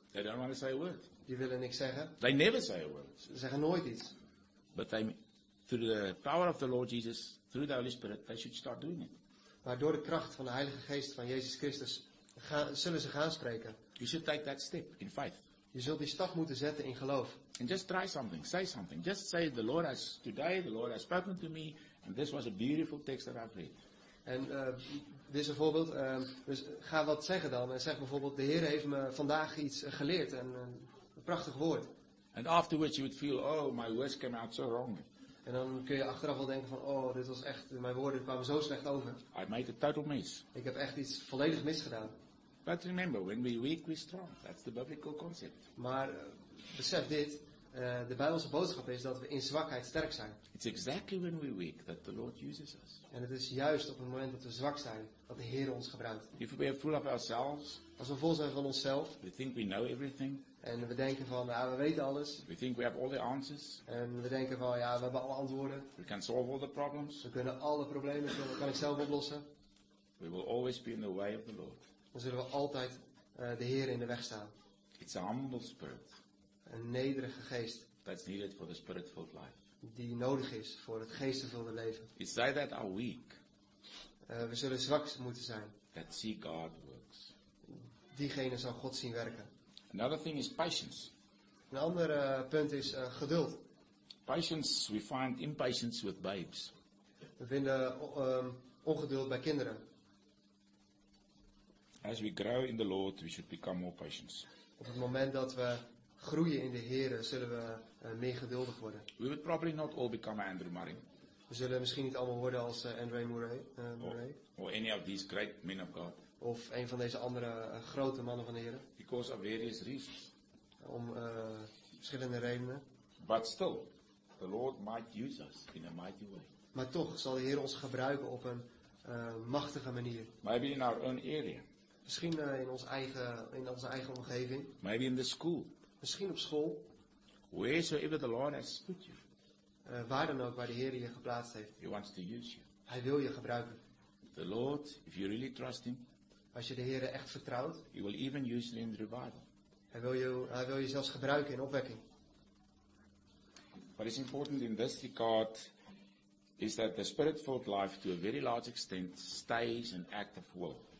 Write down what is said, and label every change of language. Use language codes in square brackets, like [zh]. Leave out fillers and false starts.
[en] They don't want to say a word. [nl] Die willen niks zeggen. [en] They never say a word. [nl] Ze zeggen nooit iets. [en] But they, through the power of the Lord Jesus, through the Holy Spirit, they should start doing it. [nl] Maar door de kracht van de Heilige Geest van Jezus Christus zullen ze gaan spreken. [en] You should take that step in faith. [nl] Je zult die stap moeten zetten in geloof. [en] And just try something, say something. Just say the Lord has today, the Lord has spoken to me, and this was a beautiful text that I've read. [nl] En dit is een voorbeeld. Dus ga wat zeggen dan en zeg bijvoorbeeld: de Heer heeft me vandaag iets geleerd en een prachtig woord. [en] And afterwards you would feel, oh, my words came out so wrong. [nl] En dan kun je achteraf wel denken van, oh, dit was echt, mijn woorden kwamen zo slecht over. [en] I made a total mess. [nl] Ik heb echt iets volledig misgedaan. [en] But remember, when we're weak, we're strong. That's the biblical concept. [nl] Maar besef dit, de Bijbelse boodschap is dat we in zwakheid sterk zijn. [en] It's exactly when we're weak that the Lord uses us. [nl] En het is juist op het moment dat we zwak zijn, dat de Heer ons gebruikt. [en] If we are full of ourselves, [nl] als we vol zijn van onszelf, [en] we think we know everything. [nl] En we denken van, ja, we weten alles. [en] We think we have all the answers. [nl] En we denken van, ja, we hebben alle antwoorden. [en] We can solve all the problems. [nl] We kunnen alle problemen, kan ik zelf oplossen. [en] We will always be in the way of the Lord. [nl] Dan zullen we altijd de Heer in de weg staan. [en] It's a humble spirit. [nl] Een nederige geest. [en] That's needed for the spirit-filled life. [nl] Die nodig is voor het geestvervulde leven. [en] It's say that are weak. [nl] We zullen zwak moeten zijn. [en] That see God works. [nl] Diegene zal God zien werken. [en] Another thing is patience. [nl] Een ander punt is geduld. [en] Patience, we find impatience with babes. [nl] We vinden ongeduld bij kinderen. [en] As we grow in the Lord, we should become more patient. [nl] Op het moment dat we groeien in de Heer, zullen we meer geduldig worden. [en] We would probably not all become Andrew Murray. [nl] We zullen misschien niet allemaal worden als Andrew Murray. [en] Or any of these great men of God. [nl] Of een van deze andere grote mannen van de Heer. [en] Because of various reasons. [nl] Om verschillende redenen. [en] But still, the Lord might use us in a mighty way. [nl] Maar toch zal de Heer ons gebruiken op een machtige manier. [en] Maybe in our own area. [nl] Misschien in onze eigen omgeving. [en] Maybe in the school. [nl] Misschien op school. [en] Wheresoever the Lord has put you. [nl] Waar dan ook, waar de Heer je geplaatst heeft. [en] He wants to use you. [nl] Hij wil je gebruiken. [en] The Lord, if you really trust him. [nl] Als je de Heer echt vertrouwt. [en] He will even use you in the revival. [nl] Hij wil je zelfs gebruiken in opwekking. [en] What is important in this regard is that the spirit-filled life to a very large extent stays an act of will.